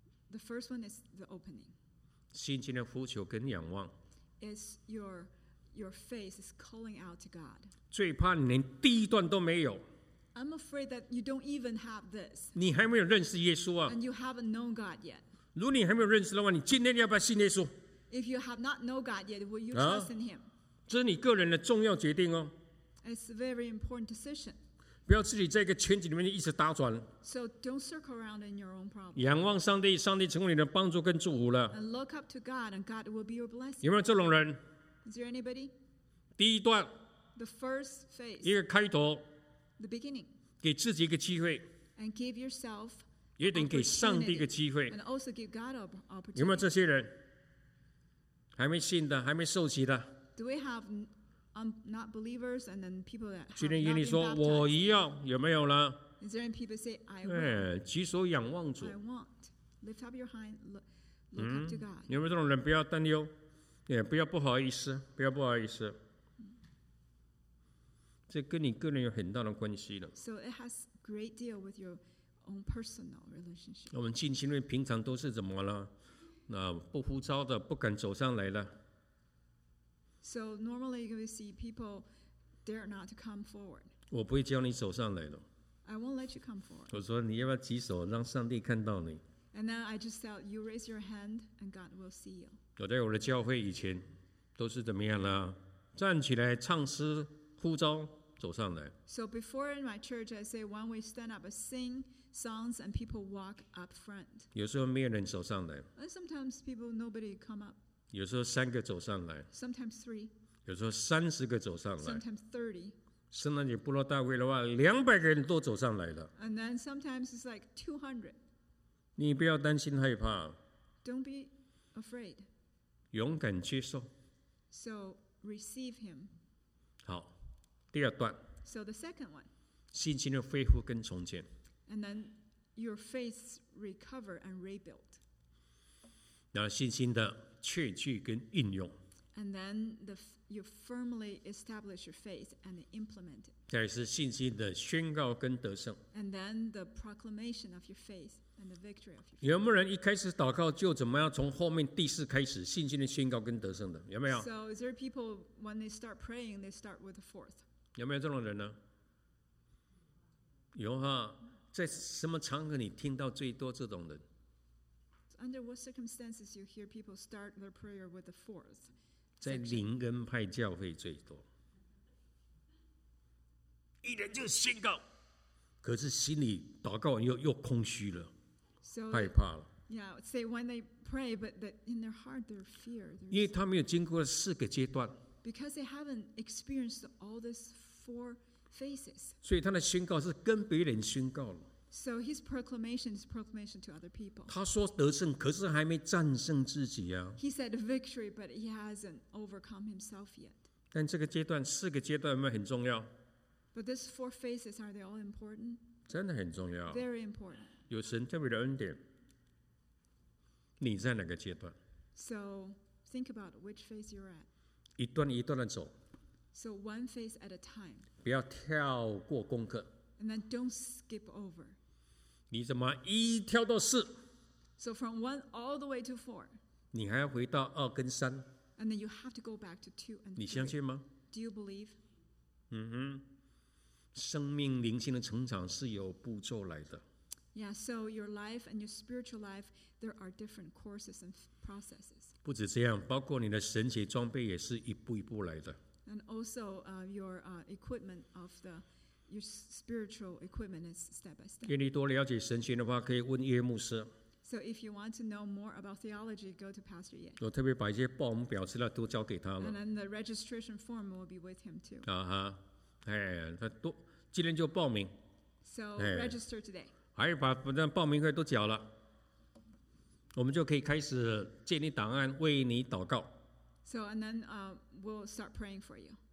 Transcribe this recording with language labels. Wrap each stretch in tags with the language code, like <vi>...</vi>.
<en>The first one is the opening.</en> <zh>心情的呼求跟仰望。</zh> <en>Is your face is calling out to God.</en> <zh>最怕你连第一段都没有。</zh> <en>I'm afraid that you don't even have this.</en> <zh>你还没有认识耶稣啊。</zh> <en>And you haven't known God yet.</en> <zh>如果你还没有认识的话，你今天要不要信耶稣？</zh> <en>If you have not known God yet, will you trust in him?</en> <zh>这是你个人的重要决定哦。</zh> <en>It's a very important decision.</en> <zh>不要自己在一个圈子里面一直打转。</zh> <en>So don't circle around in your own problem.</en> <zh>仰望上帝，上帝成为你的帮助跟祝福了。</zh> <en>And look up to God, and God will be your blessing.</en> <zh>有没有这种人？</zh> <en>Is there anybody?</en> <zh>第一段,</zh> <en>the first phase,</en> <zh>一个开头,</zh> <en>the beginning,</en> <zh>给自己一个机会,</zh> <en>and give yourself,</en> <zh>也等给上帝一个机会,</zh> <en>and also give God an opportunity.</en> <zh>有没有这些人?还没信的, 还没受洗的?</zh> <en>Do we have not believers and then people that have not been baptized?</en> <zh>今天你说, 我一样, 有没有呢?</zh> <en>Is there any people say, I want?</en> <zh>举手仰望主,</zh> <en>I want. Lift up your hand, look up to God.</en> <zh>有没有这种人?不要担忧。 Yeah, 不要不好意思，不要不好意思，这跟你个人有很大的关系了。</zh> <en>So it has great deal with your own personal relationship.</en> <zh>我们进行的平常都是怎么了？那不呼召的不敢走上来了。</zh> <en>So normally you see people dare not to come forward.</en> <zh>我不会叫你走上来的。</zh> <en>I won't let you come forward.</en> <zh>我说你要不要举手，让上帝看到你。</zh> <en>And then I just tell you raise your hand and God will see you.</en> <zh>我在我的教会以前都是怎么样呢？站起来唱诗呼召走上来。</zh> <en>So before in my church I say when we stand up and sing songs and people walk up front.</en> <zh>有时候没有人走上来。</zh> <en>And sometimes people nobody come up.</en> <zh>有时候三个走上来。</zh> <en>Sometimes three.</en> <zh>有时候三十个走上来。</zh> <en>Sometimes 30.</en> <zh>圣诞节部落大会的话，两百个人都走上来了。</zh> <en>And then sometimes it's like 200.</en> <zh>你不要担心害怕。</zh> <en>Don't be afraid.</en> <zh>勇敢接受。</zh> <en>So receive him.</en> <zh>好，第二段。</zh> <en>So the second one.</en> <zh>信心的恢复跟重建。</zh> <en>And then your faith recover and rebuild.</en> <zh>然后信心的确据跟应用。</zh> <en>And then you firmly establish your faith and implement it.</en> <zh>再来是信心的宣告跟得胜。</zh> <en>And then the proclamation of your faith and the victory of your faith.</en> <zh>有没有人一开始祷告就怎么样从后面第四开始信心的宣告跟得胜的？有没有？</zh> <en>So is there people when they start praying, they start with the fourth?</en> <zh>有没有这种人呢？有哈，在什么场合你听到最多这种人？</zh> <en>So under what circumstances you hear people start their prayer with the fourth?</en> <zh>在灵恩派教会最多，一人就宣告，可是心里祷告完又空虚了，害怕了。</zh> <en>Yeah, say when they pray, but that in their heart they're fear.</en> <zh>因为他没有经过四个阶段。</zh> <en>Because they haven't experienced all these four phases.</en> <zh>所以他的宣告是跟别人宣告了。</zh> <en>So his proclamation is proclamation to other people.</en> <zh>他说得胜，可是还没战胜自己啊。</zh> <en>He said victory, but he hasn't overcome himself yet.</en> <zh>但这个阶段，四个阶段有没有很重要？</zh> <en>But these four phases, are they all important?</en> <zh>真的很重要。</zh> <en>Very important.</en> <zh>有神特别的恩典。你在哪个阶段？</zh> <en>So think about which phase you're at.</en> <zh>一段一段的走。</zh> <en>So one phase at a time.</en> <zh>不要跳过功课。</zh> <en>And then don't skip over.</en> <zh>你怎么一跳到四？</zh> <en>So from one all the way to four.</en> <zh>你还要回到二跟三？</zh> <en>And then you have to go back to two and three.</en> <zh>你相信吗？</zh> <en>Do you believe?</en> <zh>嗯哼，生命灵性的成长是有步骤来的。</zh> <en>Yeah, so your life and your spiritual life, there are different courses and processes.</en> <zh>不止这样，包括你的神学装备也是一步一步来的。</zh> <en>And also, your equipment of the Your spiritual equipment is step by step.</en> <zh>愿你多了解神学的话，可以问耶牧师。</zh> <en>So if you want to know more about theology, go to Pastor Ye.</en> <zh>我特别把一些报名表资料都交给他了。</zh> <en>And then the registration form will be with him too.</en> <zh>啊哈，他多今天就报名。</zh> <en>So register today.</en> <zh>还把那报名费都缴了，我们就可以开始建立档案，为你祷告。</zh> <en>So and then we'll start praying for you.</en>